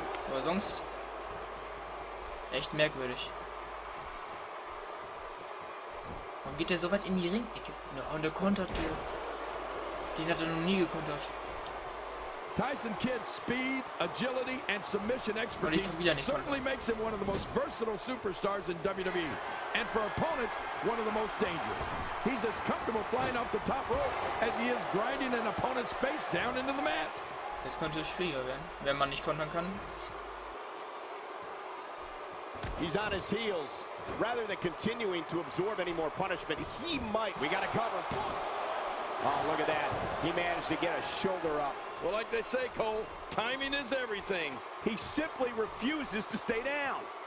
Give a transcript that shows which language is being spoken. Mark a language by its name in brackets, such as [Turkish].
[German] Aber sonst echt merkwürdig. Warum geht der so weit in die Ringecke? Und der kontert den. Den hat er noch nie gekontert. [English] Tyson Kidd's speed, agility and submission expertise certainly makes him one of the most versatile superstars in WWE. And for opponents, one of the most dangerous. He's as comfortable flying off the top rope as he is grinding an opponent's face down into the mat. [German] Das könnte schwieriger werden, wenn man nicht kontern kann. [English] He's on his heels. Rather than continuing to absorb any more punishment, he might. We got a cover. Oh, look at that. He managed to get a shoulder up. Well, like they say, Cole, timing is everything. He simply refuses to stay down.